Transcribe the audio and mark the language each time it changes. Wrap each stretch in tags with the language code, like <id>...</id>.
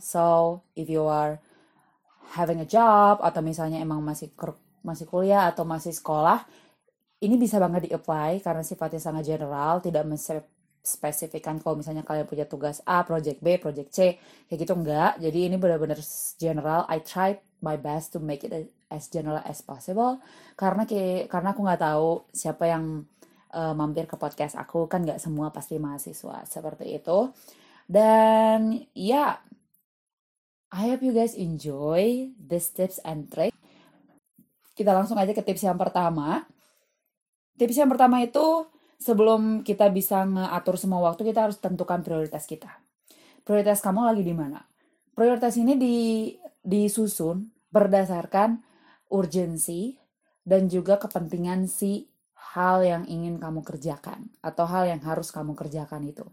<en>So if you are having a job</en> <id>atau misalnya emang masih kuliah atau masih sekolah, ini bisa banget di-apply karena sifatnya sangat general, tidak spesifikan kalau misalnya kalian punya tugas A, project B, project C, kayak gitu enggak. Jadi ini benar-benar general.</id> <en>I tried my best to make it as general as possible.</en> <id>Karena aku nggak tahu siapa yang mampir ke podcast aku, kan nggak semua pasti mahasiswa seperti itu. Dan ya,</id> <en>yeah, I hope you guys enjoy this tips and trick.</en> <id>Kita langsung aja ke tips yang pertama. Tips yang pertama itu, sebelum kita bisa ngatur semua waktu, kita harus tentukan prioritas kita. Prioritas kamu lagi di mana? Prioritas ini disusun berdasarkan urgensi dan juga kepentingan si hal yang ingin kamu kerjakan atau hal yang harus kamu kerjakan itu.</id>